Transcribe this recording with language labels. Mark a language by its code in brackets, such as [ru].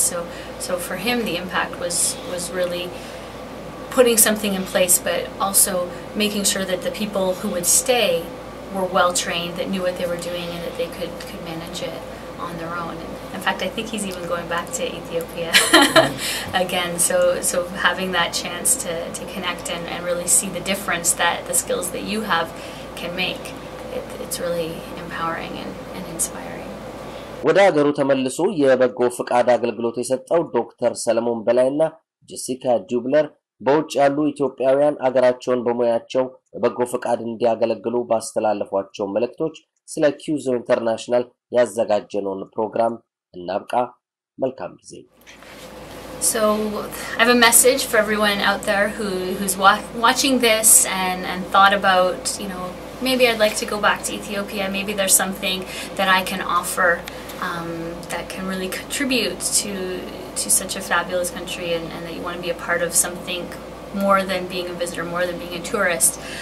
[en] So for him, the impact was really putting something in place, but also making sure that the people who would stay were well trained, that knew what they were doing, and that they could manage it on their own. In fact, I think he's even going back to Ethiopia again. So having that chance to connect and really see the difference that the skills that you have can make, it's really empowering and inspiring. [am] ወደ ሀገሩ ተመልሶ የበጎ ፍቃድ አገልግሎት የሰጠው ዶክተር ሰለሞን በላይና ጄሲካ ዱብለር በውጭ ያሉ ኢትዮጵያውያን አገራቸውን በመያቸው በጎ ፍቃድ እንዲያገለግሉ ባስተላለፏቸው መልእክቶች ስለ CUSO International ያዘጋጀነውን ፕሮግራም እናብቃ መልካም ጊዜ [en] So I have a message for everyone out there who's watching this and thought about, you know, maybe I'd like to go back to Ethiopia, maybe there's something that I can offer that can really contribute to such a fabulous country and that you want to be a part of something more than being a visitor, more than being a tourist.